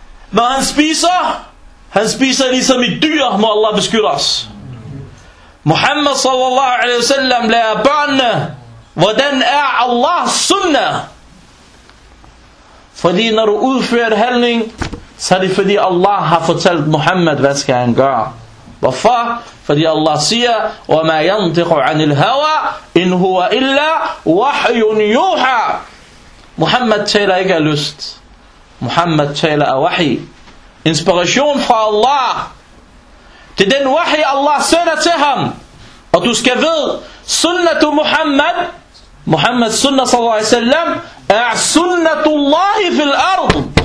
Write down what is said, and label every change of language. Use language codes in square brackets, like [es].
[da] Når han spiser, han spiser ligesom et dyr, må Allah beskytte os. Muhammad sallallahu alaihi wasallam lærer børnene, hvordan er Allahs sunnah. Fordi når du udfører handling, så er det fordi Allah har fortalt Muhammad, hvad skal han gøre. Hvorfor? Fordi Allah siger, [ar] وَمَا يَنْتِقُ عَنِ الْهَوَى إِنْ هُوَ إِلَّا وَحْيٌ يُوحَى. [da] Muhammad taler ikke af lyst. Muhammad taler af wahi. Inspiration fra Allah. Det er den wahi, Allah sender til ham. Og du skal vide, sunnatu Muhammad, Muhammad sunnah sallallahu alaihi wasallam, er [ar] sunnatu Allahi fil ard.